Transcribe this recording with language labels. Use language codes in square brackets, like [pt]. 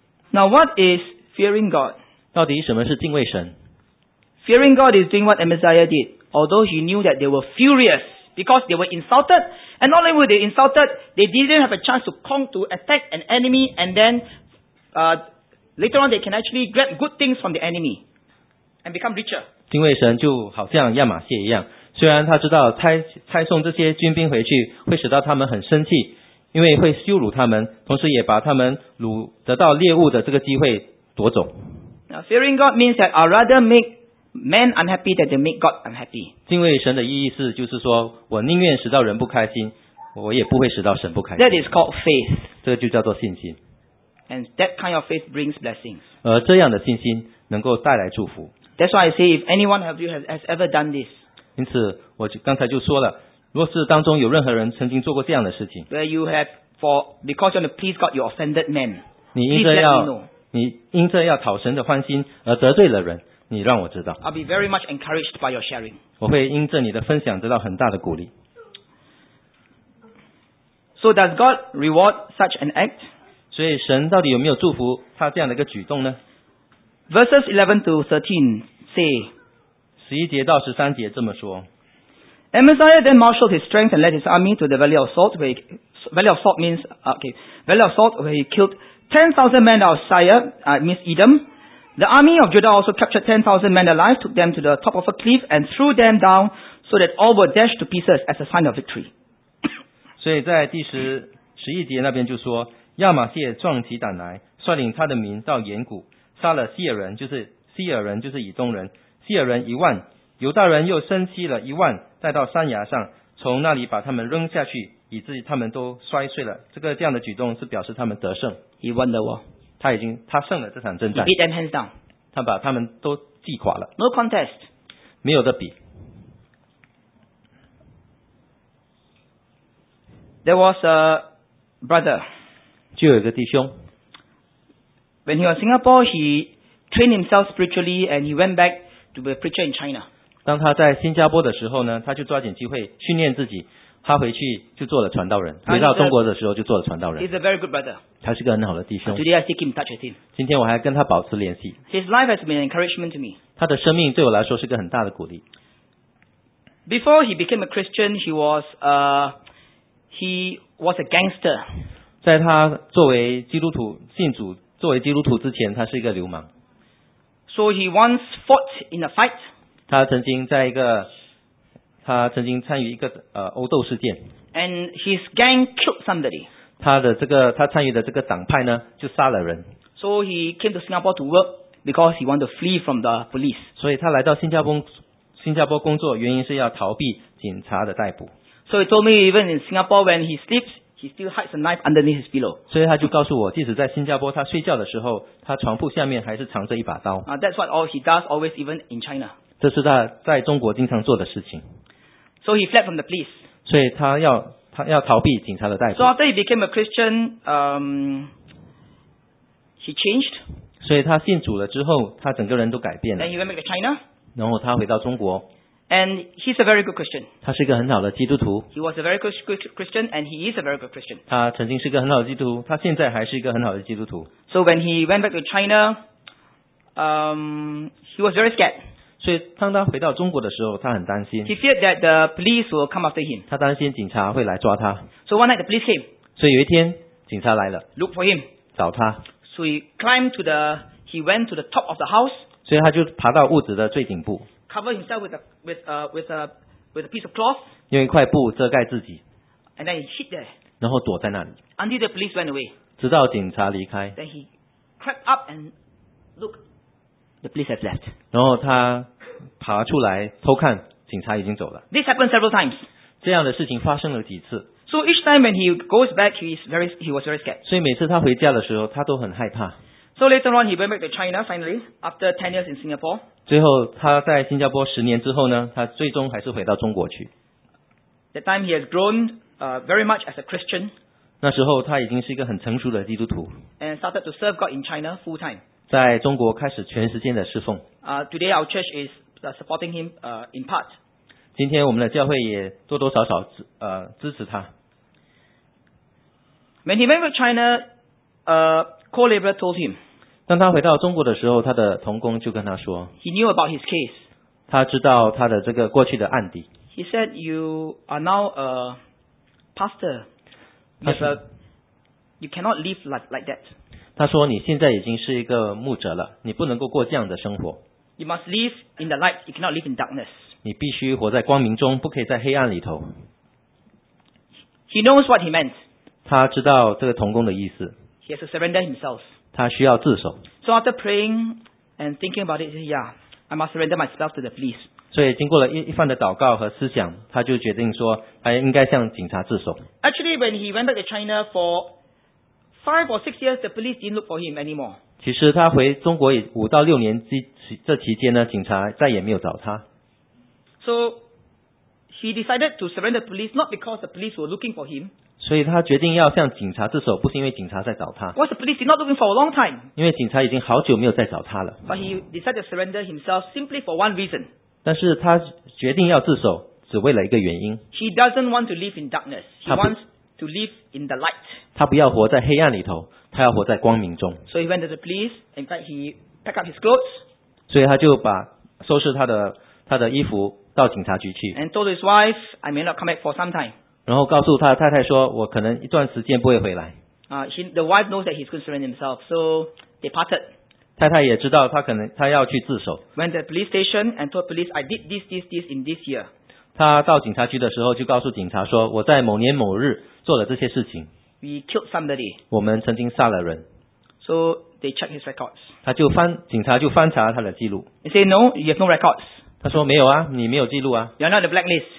[en] Now, what is fearing God? [zh] 到底什么是敬畏神？ [en] Fearing God is doing what Amaziah did, although he knew that they were furious because they were insulted, and not only were they insulted, they didn't have a chance to attack an enemy, and then. Later on, they can actually grab good things from the enemy and become richer. [zh] 敬畏神就好像亚玛谢一样，虽然他知道差送这些军兵回去会使到他们很生气，因为会羞辱他们，同时也把他们得到猎物的这个机会夺走。 [en] Now, fearing God means that I rather make men unhappy than to make God unhappy. [zh] 敬畏神的意义是，就是说我宁愿使到人不开心，我也不会使到神不开心。 [en] That is called faith. [zh] 这个就叫做信心。 [en] And that kind of faith brings blessings. [zh] 而这样的信心能够带来祝福。 [en] That's why I say if anyone of you has ever done this. [zh] 因此我刚才就说了，若是当中有任何人曾经做过这样的事情。 [en] Where you have for because you want to please God, you offended men. [zh] 你因着要讨神的欢心而得罪了人，你让我知道。 [en] I'll be very much encouraged by your sharing. [zh] 我会因着你的分享得到很大的鼓励。 [en] So does God reward such an act? [zh] 所以神到底有没有祝福他这样的一个举动呢？ [en] Verses 11-13 say [zh] 11节到13节这么说。 [en] Amaziah then marshaled his strength and led his army to the Valley of Salt where Valley of Salt where he killed 10,000 men of Syria, means Edom. The army of Judah also captured 10,000 men alive, took them to the top of a cliff and threw them down so that all were dashed to pieces as a sign of victory. [zh] 所以在第11节那边就说，亚玛谢壮起胆来，率领他的民到岩谷，杀了希尔人，就是西尔人就是以东人，西尔人一万，犹大人又生息了一万，带到山崖上，从那里把他们扔下去，以至于他们都摔碎了。这样的举动是表示他们得胜。 [en] He won the war. [zh] 他胜了这场征战。 [en] He beat them hands down. [zh] 他把他们都击垮了。 [en] No contest. [zh] 没有的比。 [en] There was a brother. [zh] 就有一个弟兄。 [en] When he was in Singapore, he trained himself spiritually and he went back to be a preacher in China. [zh] 当他在新加坡的时候呢，他就抓紧机会训练自己。他回去就做了传道人，回到中国的时候就做了传道人。 [en] He's a very good brother. [zh] 他是个很好的弟兄。 [en] Today I still keep in touch with him. [zh] 今天我还跟他保持联系。 [en] His life has been an encouragement to me. [zh] 他的生命对我来说是个很大的鼓励。 [en] Before he became a Christian, he was a gangster. [zh] 在他作为基督徒信主，作为基督徒之前，他是一个流氓。 [en] So he once fought in a fight. [zh] 他曾经参与一个殴斗事件。 [en] And his gang killed somebody. [zh] 他参与的这个党派呢就杀了人。 [en] So he came to Singapore to work because he wanted to flee from the police. [zh] 所以他来到新加坡工作，原因是要逃避警察的逮捕。 [en] So he told me even in Singapore when he sleeps, he still hides a knife underneath his pillow. [zh] 所以他就告诉我，即使在新加坡他睡觉的时候，他床铺下面还是藏着一把刀。 [en] That's what all he does always even in China. [zh] 这是他在中国经常做的事情。 [en] So he fled from the police. [zh] 所以他要逃避警察的逮捕。 [en] So after he became a Christian, he changed. [zh] 所以他信主了之后，他整个人都改变了。 [en] Then he went back to China. [zh] 然后他回到中国。 [en] And he's a very good Christian. [zh] 他是一个很好的基督徒。 [en] He was a very good Christian, and he is a very good Christian. [zh] 他曾经是个很好的基督徒，他现在还是一个很好的基督徒。 [en] So when he went back to China, he was very scared. [zh] 所以当他回到中国的时候，他很担心。 [en] He feared that the police will come after him. [zh] 他担心警察会来抓他。 [en] So one night the police came. [zh] 所以有一天警察来了。 [en] Look for him. [zh] 找他。 [en] So he went to the top of the house. [zh] 所以他就爬到屋子的最顶部。 [en] Cover himself with a piece of cloth. [zh] 用一块布遮盖自己。 [en] And then he hid there. [zh] 然后躲在那里。 [en] Until the police went away. [zh] 直到警察离开。 [en] Then he crept up and looked. The police has left. [zh] 然后他爬出来偷看，警察已经走了。 [en] This happened several times. [zh] 这样的事情发生了几次。 [en] So each time when he goes back, he was very scared. [zh] 所以每次他回家的时候，他都很害怕。 [en] So later on, he went back to China finally after 10 years in Singapore. [zh] 最后他在新加坡十年之后呢，他最终还是回到中国去。 [en] That time he has grown very much as a Christian. [zh] 那时候他已经是一个很成熟的基督徒。 [en] And started to serve God in China full time. [zh] 在中国开始全时间的侍奉。 [en] Today our church is supporting him in part. [zh] 今天我们的教会也多多少少支持他。 [en] When he went to China, co-laborer told him. [zh] 当他回到中国的时候，他的同工就跟他说。 [en] He knew about his case. [zh] 他知道他的这个过去的案底。 [en] He said, "You are now a pastor. You cannot live like that." [zh] 他说你现在已经是一个牧者了，你不能够过这样的生活。 [en] You must live in the light, you cannot live in darkness. [zh] 你必须活在光明中，不可以在黑暗里头。 [en] He knows what he meant. [zh] 他知道这个同工的意思。 [en] He has to surrender himself. [zh] 他需要自首。 [en] So after praying and thinking about it, yeah, I must surrender myself to the police. [zh] 所以经过了一番的祷告和思想，他就决定说他应该向警察自首。 [en] Actually, when he went back to China for Five or six years, the police didn't look for him anymore. [zh] 其实他回中国五到六年这期间呢，警察再也没有找他。 [en] So he decided to surrender police, not because the police were looking for him. [zh] 所以他决定要向警察自首，不是因为警察在找他。 [en] Was the police did not looking for a long time? [zh] 因为警察已经好久没有再找他了。 [en] But he decided to surrender himself simply for one reason. [zh] 但是他决定要自首，只为了一个原因。 [en] He doesn't want to live in darkness. He wants to live in the light. [zh] 他不要活在黑暗里头，他要活在光明中。 [en] So he went to the police. In fact, he packed up his clothes. [zh] 所以他就把收拾他的衣服到警察局去。 [en] And told his wife, "I may not come back for some time." [zh] 然后告诉他的太太说，我可能一段时间不会回来。 [en] The wife knows that he's going to surrender himself, so they parted. [zh] 太太也知道他要去自首。 [en] Went to the police station and told police, "I did this in this year." [zh] 他到警察局的时候就告诉警察说，我在某年某日做了这些事情。 [en] We killed somebody. [zh] 我们曾经杀了人。 [en] So they check his records. [zh] 警察就翻查他的记录。 [en] They say no, you have no records. [zh] 他说没有啊，你没有记录啊。 [en] You are not the blacklist.